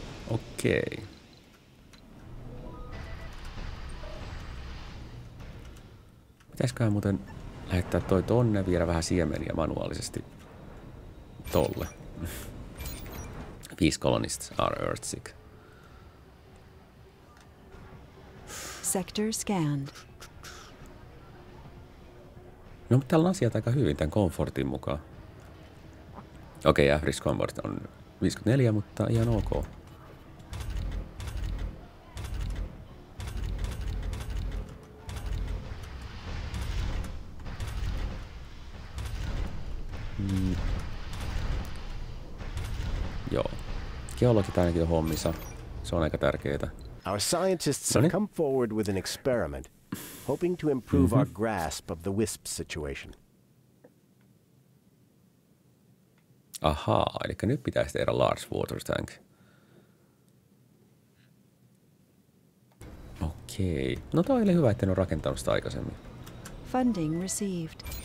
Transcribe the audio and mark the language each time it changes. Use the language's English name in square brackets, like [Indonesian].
[Finnish] Okei. Pitäisiköhän muuten lähettää toi tonne, viedä vähän siemeniä manuaalisesti tolle. [English] 5 colonists are earth sick. Sector scanned. [Finnish] No, mutta täällä on asiat aika hyvin tämän komfortin mukaan. Okei, average comfort on 54, mutta ihan ok. Joo. Geologit ainakin on hommissa. Se on aika tärkeetä. [English] Our scientists have come forward with an experiment, hoping to improve our grasp of the wisp situation. [Finnish] Ahaa, eli nyt pitäisi tehdä large water tank. Okei. No toi oli hyvä, että en ole rakentanut sitä aikaisemmin. [English] Funding received.